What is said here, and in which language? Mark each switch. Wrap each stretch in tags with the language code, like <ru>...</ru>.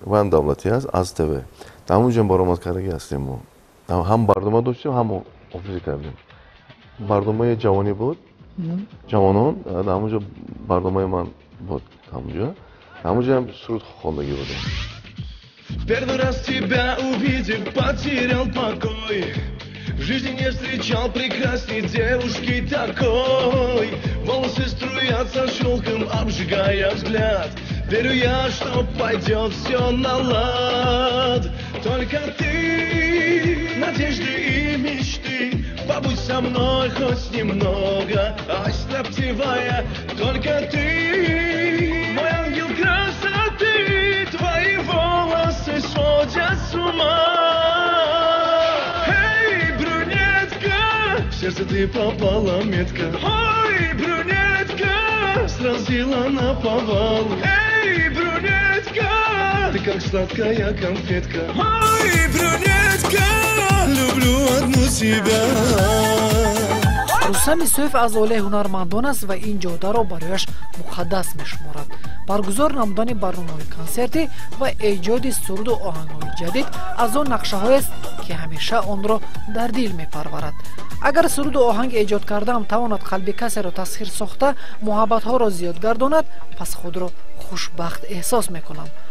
<fa>با هم دولتی است از تی وی. در اونجا برآمد کرده هستیم ما. هم برنامه داشتیم هم آفیس کردیم. برنامه جوانی بود. جوانان در همونجا برنامه من بود همونجا همونجا هم سرود خواندگی بود.</fa> <ru>Первый раз тебя увидел, потерял покой. В жизни не встречал прекрасней девушки такой. Волосы струятся шелком, обжигая взгляд. Верю я, что пойдет все на лад. Только ты, надежды и мечты. Побудь со мной хоть немного, ослабевая. Только ты, мой ангел красоты. Твои волосы сводят с ума. Эй, брюнетка, в сердце ты попала метка. Ой, брюнетка, сразила наповал. Эй, брюнетка, ты как сладкая конфетка. Ой, брюнетка, люблю одну тебя.</ru> <fa>Rustam Isayev از اولی هنرمندان است و این جاده را برایش مقدس میشمارد. برگزار نمودن برنامه‌های کنسرتی و ایجاد سرود و آهنگ‌های جدید از آن نقشه‌هایی است که همیشه آن را در دل می‌پرورد. اگر سرود و آهنگ ایجاد کردم تواند قلب کسی را تسخیر ساخته محبت‌ها را زیاد گرداند، پس خود را خوشبخت احساس می‌کنم.</fa>